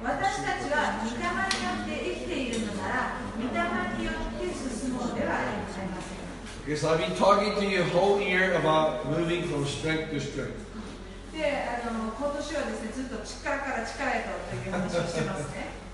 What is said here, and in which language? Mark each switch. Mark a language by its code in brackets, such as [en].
[ja] 私たちは御霊によって生きているのなら、御霊によって進もうではありません。 [en] Yes, I've been talking to you whole year about moving from strength to strength. [ja] で、今年はですね、ずっと力から力へとという話をしてますね。